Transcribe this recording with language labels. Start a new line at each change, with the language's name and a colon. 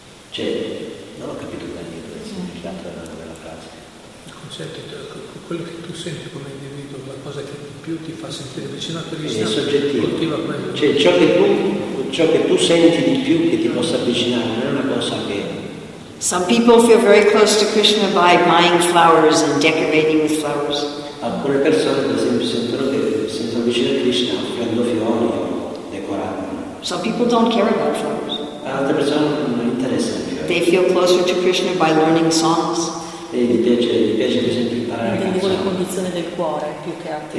Italian: Cioè, non ho capito bene il significato della frase. Il concetto è quello che tu senti come individuo, la cosa che più ti fa sentire vicino a Krishna. È soggettivo. Cioè, ciò che tu senti di più che ti possa avvicinare non è una cosa che.
English: Some people feel very close to Krishna by buying flowers and decorating with flowers.
Italian: Alcune persone, per esempio, sentono che sono vicino a Krishna offrendo fiori o decorando.
English: Some people don't care about flowers.
Italian: Altre persone non interessano.
English: They feel closer to Krishna by learning songs.
Italian: E gli piace per esempio imparare. Intendevo le condizioni del cuore più che altro.